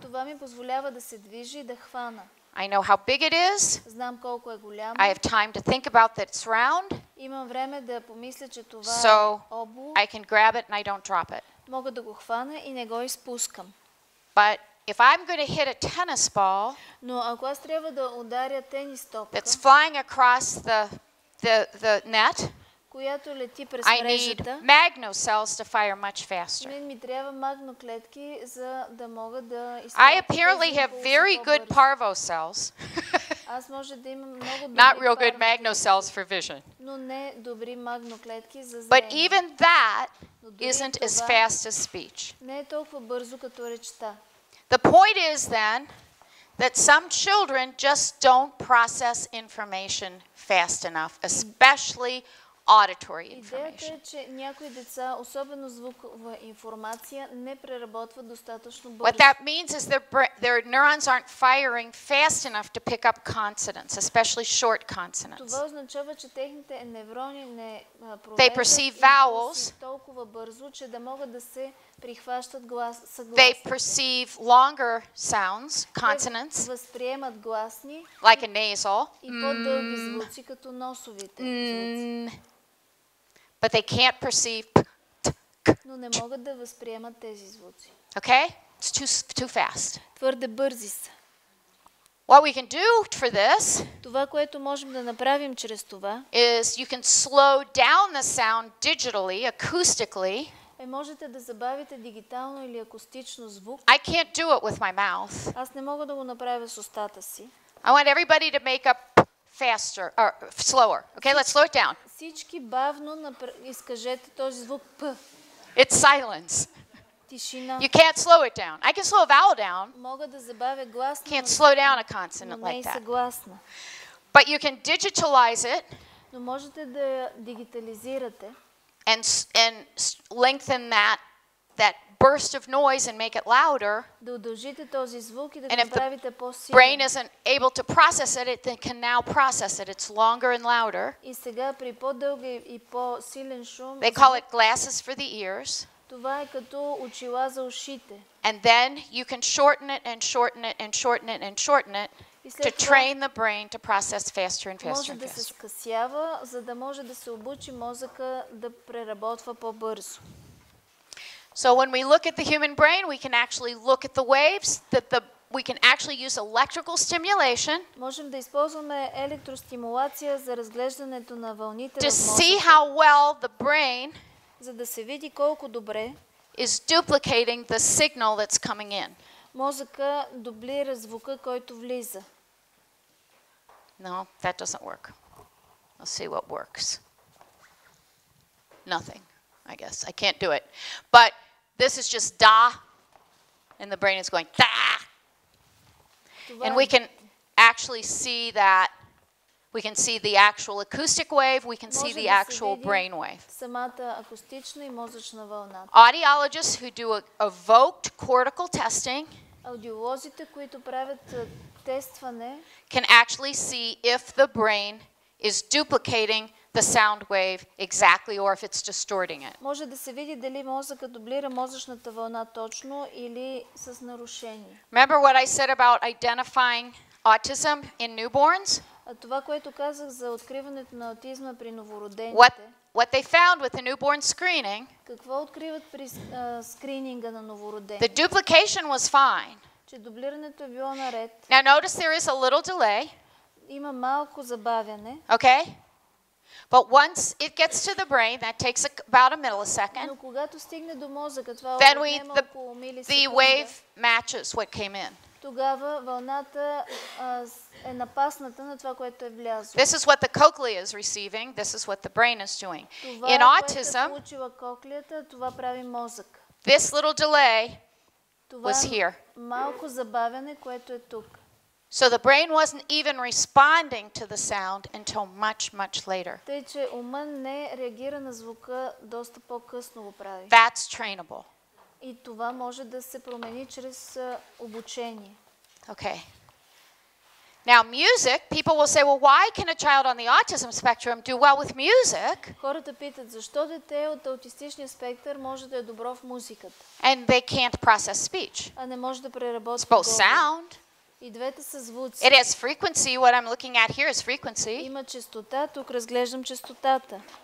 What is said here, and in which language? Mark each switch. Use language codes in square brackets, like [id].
[bg] Това ми позволява да се движи и да хвана. [en] I know how big it is. [bg] Знам колко е голямо. [en] I have time to think about that it's round. [bg] Имам време да помисля, че това [en] so [bg] е обувь. [en] I can grab it and I don't drop it. [bg] Мога да го хвана и не го изпускам. [en] But if I'm going to hit a tennis ball, [bg] но ако аз трябва да ударя тенис топка, [en] that's flying across the net, [bg] която лети през мрежата, [en] I need magno cells to fire much faster. [bg] Мен ми трябва магно клетки, за да мога да [en] I apparently have very good parvo cells. [bg] Аз може да имам много добри [en] Not real good magno cells for vision. [bg] Но не добри магноклетки за зрение. [en] But even that isn't as fast as speech. [bg] Не е толкова бързо като речта. [en] The point is then that some children just don't process information fast enough, especially auditory information. [bg] Идеята е, че някои деца, особено звукова информация, не преработват достатъчно бързо. [en] What that means is their neurons aren't firing fast enough to pick up consonants, especially short consonants. [bg] Това означава, че техните неврони не проверяват. [en] They perceive vowels. [bg] Толкова бързо, че да могат да се прихващат глас съгласните. [en] They perceive longer sounds, consonants. [bg] Те възприемат гласни. [en] Like a nasal. [bg] И по-дълги звуци като носовите. [en] But they can't perceive. [bg] Но не могат да възприемат тези звуци. [en] Okay? It's too fast. [bg] Твърде бързи са. [en] What we can do for this? [bg] Това, което можем да направим чрез това, [en] is you can slow down the sound digitally, acoustically. [bg] Е, можете да забавите дигитално или акустично звук. [en] I can't do it with my mouth. [bg] Аз не мога да го направя с устата си. [en] I want everybody to make up faster or slower. Okay, let's slow it down. [bg] Всички бавно изкажете този звук п. [en] It's silence. [bg] Тишина. [en] You can't slow it down. I can slow a vowel down. [bg] Мога да забавя гласно. [en] Can't slow down a consonant like that. [bg] Не съгласна. [en] But you can digitalize it. [bg] Но можете да дигитализирате. [en] And lengthen that burst of noise and make it louder. [bg] Да удължите този звук и да го направите по-силен. [en] The brain isn't able to process it, it can now process it. It's longer and louder. [bg] И сега при по-дълги и по-силен шум. [en] They call it glasses for the ears. [bg] Това е като очила за ушите. [en] And then you can shorten it and shorten it and shorten it and shorten it. To train the brain to process faster and faster. [bg] Може да се скъсява, за да може да се обучи мозъка да преработва по-бързо. [en] So when we look at the human brain, we can actually look at the waves that the we can actually use electrical stimulation. [bg] Можем да използваме електростимулация за разглеждането на вълните в мозъка. [en] To see how well the brain [bg] за да се види колко добре [en] is duplicating the signal that's coming in. [bg] Мозъка дублира звука, който влиза. [en] No, that doesn't work. Let's see what works. Nothing, I guess. I can't do it. But this is just da, and the brain is going da. And we can actually see that. We can see the actual acoustic wave. We can see the actual brain wave. [bg] Самата акустична и мозъчна вълна. [en] Audiologists who do evoked cortical testing. [bg] Аудиолозите, които правят тестване, [en] can actually see if the brain is duplicating the sound wave exactly or if it's distorting it. [bg] Може да се види дали мозъкът дублира мозъчната вълна точно или с нарушение. [en] Remember what I said about identifying autism in newborns? [bg] Това, което казах за откриването на аутизма при новородените. [en] What they found with the newborn screening? [bg] Какво откриват при скрининга на новороден? [en] The duplication was fine. [bg] Че дублирането е било наред. [en] Now notice there is a little delay. [bg] Има малко забавяне. [en] Okay? But once it gets to the brain, that takes about a millisecond. [bg] Но когато стигне до мозъка, това отнема около милисекунда. [en] The wave matches what came in. [bg] Тогава вълната е напасната на това, което е влязло. [en] This is what the cochlea is receiving, this is what the brain is doing. [bg] Това, [en] in autism, [bg] което е получила коклията, това прави мозък. [en] This little delay [bg] това [en] was here. [bg] Малко забавяне, което е тук. [en] So the brain wasn't even responding to the sound until much, much later. [bg] Тъй, че умът не реагира на звука, доста по-късно го прави. [en] That's trainable. [bg] И това може да се промени чрез обучение. [en] Okay. Now music, people will say, well, why can a child on the autism spectrum do well with music? [bg] Хората питат защо дете от аутистичния спектър може да е добро в музиката. [en] And they can't process speech. [bg] А не може да преработи говор. [en] Both sound. [bg] И двете са звуци. [en] It has frequency. What I'm looking at here is frequency. [bg] Има честота. Тук разглеждам честотата.